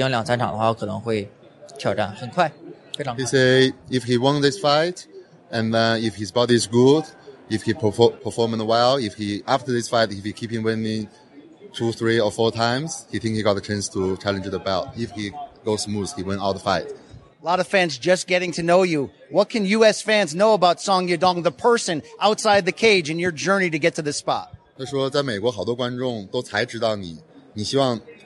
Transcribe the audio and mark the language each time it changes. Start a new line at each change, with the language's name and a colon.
Chinese: 他说你已经三连胜了，如果礼拜六这四场再赢的话，你认为你离冠军有多远？我觉得如果这场我赢了话，我再打两场到三场的话，我可能如果再继续赢的话，再继续赢两三场的话，我可能会挑战很快。
English: He say if he won this fight, and if his body is good, if he performing well, if he after this fight if he keeping winning 2, 3, or 4 times, he think he got a chance to challenge the belt. If he goes smooth, he win all the fight. A lot of fans just getting to know you. What can U.S. fans know about Song Jadong, the person outside the cage, and your journey to get to this spot?
Chinese: 他说，在美国好多观众都才知道你，你希望。